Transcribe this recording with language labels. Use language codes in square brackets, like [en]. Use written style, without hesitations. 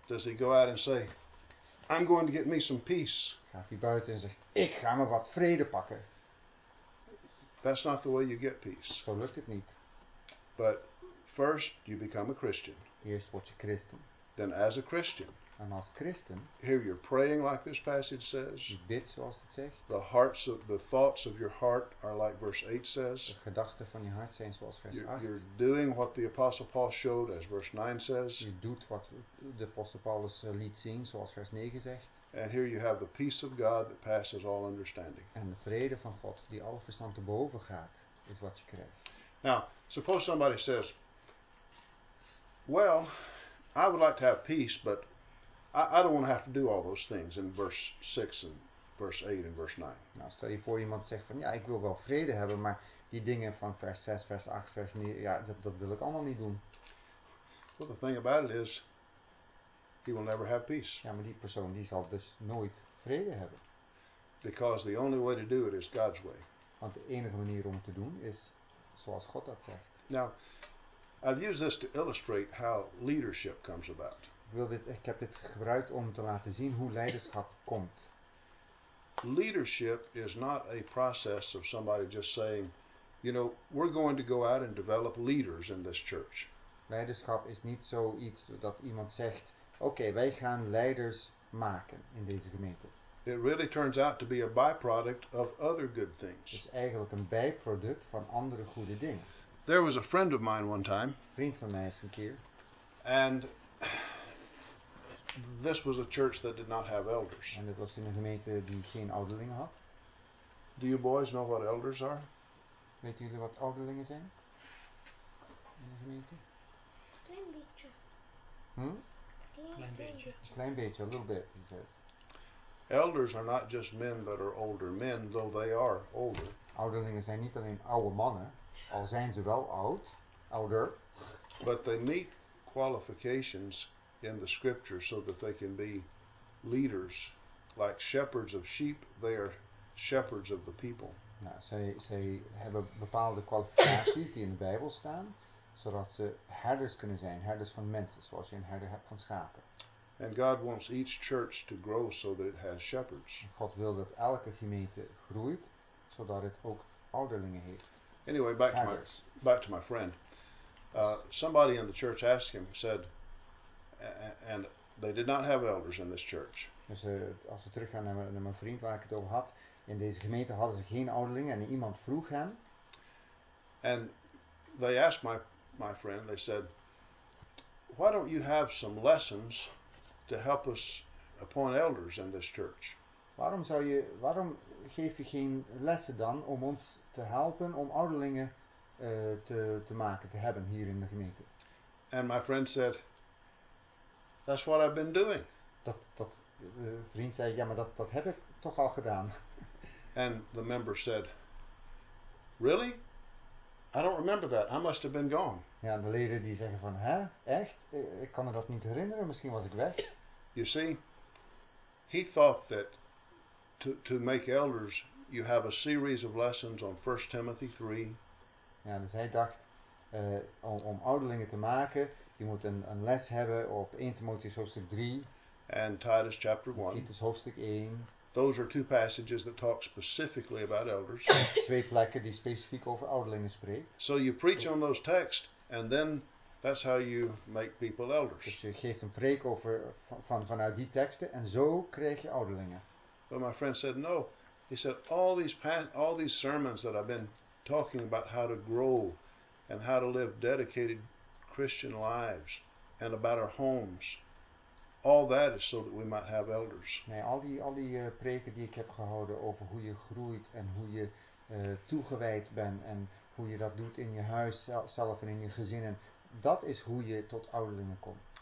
[en] Does he go out and say, I'm going to get me some peace? [nl] Gaat hij buiten en zegt, ik ga me wat vrede pakken. [en] That's not the way you get peace. [nl] Zo lukt het niet. [en] But first you become a Christian. [nl] Eerst word je Christen. [en] Then as a Christian. And as Christian, here you're praying like this passage says. [nl] Je bidt zoals het zegt. [en] The thoughts of your heart are like verse 8 says. [nl] De gedachten van je hart zijn zoals vers 8. [en] You're doing what the Apostle Paul showed as verse 9 says. [nl] Je doet wat de Apostel Paulus liet zien zoals vers 9 zegt. [en] And here you have the peace of God that passes all understanding. [nl] En de vrede van God die alle verstand te boven gaat, is wat je krijgt. [en] Now, suppose somebody says, well, I would like to have peace, but I don't want to have to do all those things in verse 6 and verse 8 and verse 9. [nl] Nou, stel je voor iemand zegt van ja, ik wil wel vrede hebben, maar die dingen van vers 6, vers 8, vers 9, ja, dat wil ik allemaal niet doen. [en] Well, the thing about it is, he will never have peace. [nl] Ja, maar die persoon die zal dus nooit vrede hebben. [en] Because the only way to do it is God's way. [nl] Want de enige manier om het te doen is zoals God dat zegt. [en] Now, I've used this to illustrate how leadership comes about. [nl] Ik heb dit gebruikt om te laten zien hoe leiderschap komt. [en] Leadership is not a process of somebody just saying, you know, we're going to go out and develop leaders in this church. [nl] Leiderschap is niet zoiets dat iemand zegt, oké, wij gaan leiders maken in deze gemeente. [en] It really turns out to be a byproduct of other good things. [nl] Het is eigenlijk een bijproduct van andere goede dingen. [en] There was a friend of mine one time. [nl] Vriend van mij is een keer. [en] And this was a church that did not have elders. [nl] En het was in een gemeente die geen ouderlingen had. [en] Do you boys know what elders are? [nl] Weten jullie wat ouderlingen zijn? In een gemeente? Klein beetje. Hmm? Klein beetje. Klein beetje, [en] a little bit, he says. elders are not just men that are older men, though they are older. [nl] Ouderlingen zijn niet alleen oude mannen, al zijn ze wel oud, ouder. [en] But they meet qualifications in the scriptures so that they can be leaders, like shepherds of sheep, they are shepherds of the people. [nl] Nou, zij hebben bepaalde kwalificaties die in de Bijbel staan, zodat ze herders kunnen zijn, herders van mensen, zoals je een herder hebt van schapen. [en] And God wants each church to grow so that it has shepherds. [nl] God wil dat elke gemeente groeit, zodat het ook ouderlingen heeft. [en] Anyway, back to my friend. Somebody in the church asked him, said, and they did not have elders in this church. [nl] Dus als we teruggaan naar mijn vriend waar ik het over had, in deze gemeente hadden ze geen ouderlingen en iemand vroeg hem. [en] And they asked my friend, they said, why don't you have some lessons to help us appoint elders in this church? [nl] Waarom geef je geen lessen dan om ons te helpen om ouderlingen te maken, te hebben hier in de gemeente? [en] And my friend said, that's what I've been doing. [nl] De vriend zei, ja, maar dat heb ik toch al gedaan. [en] And the member said, really? I don't remember that. I must have been gone. [nl] Ja, de leden die zeggen van, hè, echt? Ik kan me dat niet herinneren. Misschien was ik weg. [en] You see, he thought that to make elders, you have a series of lessons on 1 Timothy 3. [nl] Ja, dus hij dacht, om ouderlingen te maken, je moet een les hebben op 1 Timotheus hoofdstuk 3. [en] And Titus chapter 1. [nl] Titus hoofdstuk 1. [en] Those are two passages that talk specifically about elders. [nl] Twee plekken die specifiek over ouderlingen spreekt. [en] So you preach on those texts, and then that's how you make people elders. [nl] Dus je geeft een preek over vanuit die teksten, en zo krijg je ouderlingen. [en] But my friend said no. He said all these sermons that I've been talking about how to grow, and how to live dedicated Christian lives, and about our homes. All that is so that we might have elders. [nl] Nee, al die preken die ik heb gehouden over hoe je groeit en hoe je toegewijd bent en hoe je dat doet in je huis zelf en in je gezinnen, dat is hoe je tot ouderlingen komt.